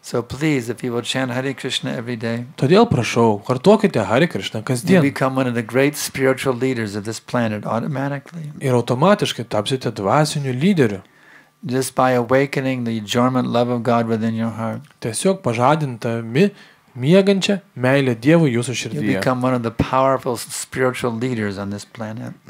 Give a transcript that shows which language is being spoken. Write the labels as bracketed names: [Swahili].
[English] So please, if you will chant Hare Krishna every day. [Lithuanian] Todėl prašau, kartokite Hare Krishna kasdien. [English] You become one of the great spiritual leaders of this planet automatically. [Lithuanian] Ir automatiškai tapsite dvasiniu lyderiu. [English] Just by awakening the dormant love of God within your heart. [Lithuanian] Tiesiog pažadintami miegančią meilę Dievui jūsų širdyje. [English] You become one of the powerful spiritual leaders on this planet.